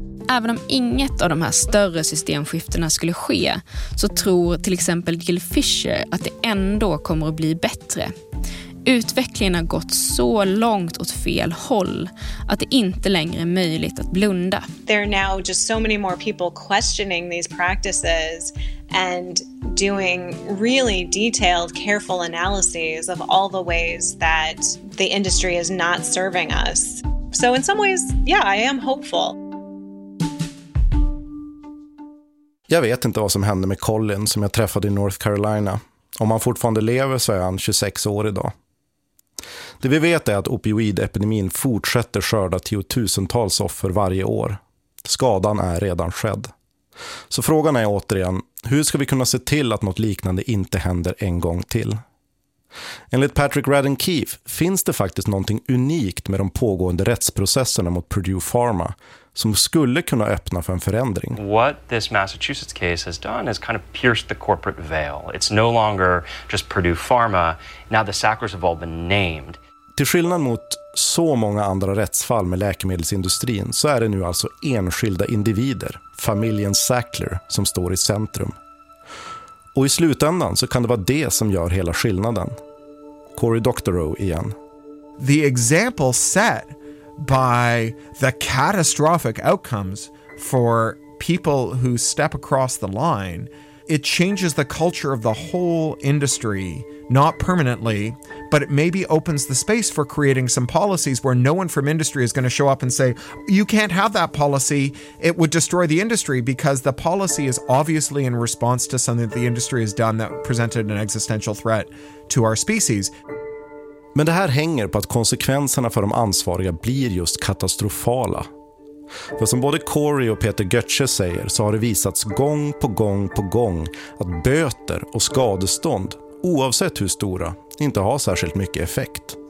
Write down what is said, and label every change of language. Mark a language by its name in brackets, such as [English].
[Swedish] Även om inget av de här större systemskiftena skulle ske, så tror till exempel Jill Fisher att det ändå kommer att bli bättre. Utvecklingen har gått så långt åt fel håll att det inte längre är möjligt att blunda. [English] There are now just so many more people questioning these practices and doing really detailed, careful analyses of all the ways that the industry is not serving us. So in some ways, yeah, I am hopeful. [Swedish] Jag vet inte vad som hände med Colin som jag träffade i North Carolina. Om han fortfarande lever så är han 26 år idag. Det vi vet är att opioidepidemin fortsätter skörda tiotusentals offer varje år. Skadan är redan skedd. Så frågan är återigen, hur ska vi kunna se till att något liknande inte händer en gång till? Enligt Patrick Radden Keefe finns det faktiskt någonting unikt med de pågående rättsprocesserna mot Purdue Pharma som skulle kunna öppna för en förändring. [English] What this Massachusetts case has done is kind of pierced the corporate veil. It's no longer just Purdue Pharma. Now the Sackers have all been named. [Swedish] Till skillnad mot så många andra rättsfall med läkemedelsindustrin så är det nu alltså enskilda individer, familjen Sackler, som står i centrum. Och i slutändan så kan det vara det som gör hela skillnaden. Cory Doctorow igen. [English] The example set by the catastrophic outcomes for people who step across the line, it changes the culture of the whole industry, not permanently, but it maybe opens the space for creating some policies where no one from industry is going to show up and say, you can't have that policy, it would destroy the industry, because the policy is obviously in response to something that the industry has done that presented an existential threat to our species. [Swedish] Men det här hänger på att konsekvenserna för de ansvariga blir just katastrofala. För som både Corey och Peter Götze säger så har det visats gång på gång på gång att böter och skadestånd, oavsett hur stora, inte har särskilt mycket effekt.